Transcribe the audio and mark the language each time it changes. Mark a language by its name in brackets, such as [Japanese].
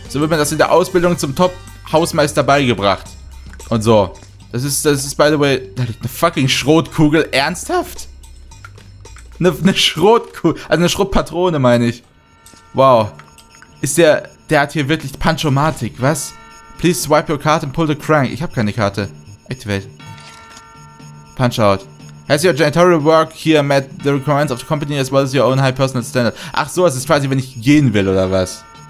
[German] So wird mir das in der Ausbildung zum Top-Hausmeister beigebracht. Und so. Das ist, [English] by the way, [German] da liegt eine fucking Schrotkugel. Ernsthaft? Eine Schrotkugel, also eine Schrottpatrone, meine ich. Wow. Ist der, der hat hier wirklich Punch-O-Matic, was? [English] Please swipe your card and pull the crank. [German] Ich habe keine Karte. [English] Activate. Punch out. Has your janitorial work here met the requirements of the company as well as your own high personal standard? [German] Ach so, es ist quasi, wenn ich gehen will, oder was?